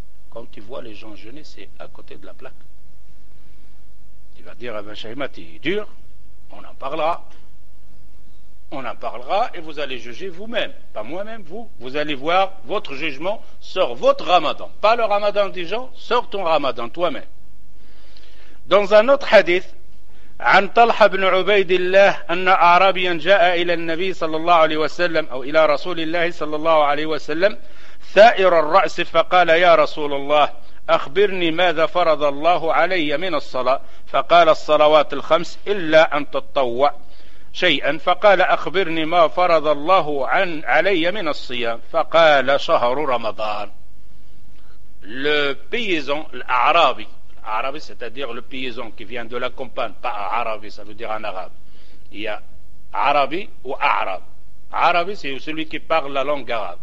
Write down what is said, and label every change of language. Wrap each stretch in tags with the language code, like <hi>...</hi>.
<fr>Quand tu vois les gens jeûner, c'est à côté de la plaque. Tu vas dire à Ben Shahimat, il est dur, on en parlera. On en parlera et vous allez juger vous-même, pas moi-même, vous. Vous allez voir votre jugement sur votre Ramadan. Pas le Ramadan des gens, sur ton Ramadan toi-même. Dans un autre hadith,</fr> <ar>عن طلحة بن عبيد الله أن أعرابيا جاء إلى النبي صلى الله عليه وسلم أو إلى رسول الله صلى الله عليه وسلم ثائر الرأس فقال يا رسول الله أخبرني ماذا فرض الله علي من الصلاة فقال الصلوات الخمس إلا أن تتطوع شيئا فقال أخبرني ما فرض الله عن علي من الصيام فقال شهر رمضان.</ar> <fr>Le paysan l'arabi, l'arabi c'est-à-dire le paysan qui vient de la campagne, pas arabi, ça veut dire un arabe. Il y a arabi ou arabe. Arabi c'est celui qui parle la langue arabe.</fr>